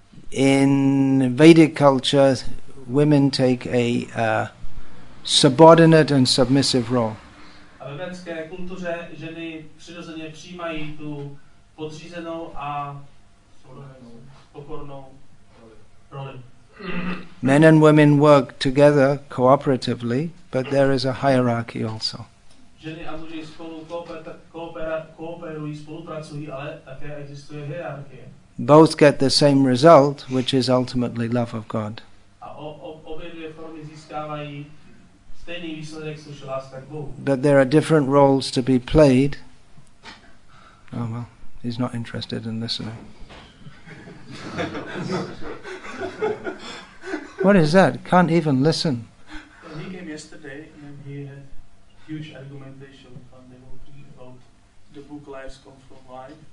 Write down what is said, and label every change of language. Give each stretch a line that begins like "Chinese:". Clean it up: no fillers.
English: In Vedic culture, women take a subordinate and submissive role.
Czech: A ve vedské kultuře ženy přirozeně přijímají tu podřízenou a pokornou roli.
English: Men and women work together cooperatively, but there is a hierarchy also.
Czech: Ženy a muži spolu kooperují, spolupracují, ale také existuje hierarchie.
English: Both get the same result, which is ultimately love of God.
Czech: A obě dvě formy získávají stejný výsledek, což je láska k Bohu.
English: But there are different roles to be played. Oh well, he's not interested in listening. What is that? Can't even listen. Well, he came yesterday and then he had huge argumentation on the whole thing about the book Lives Come From Life.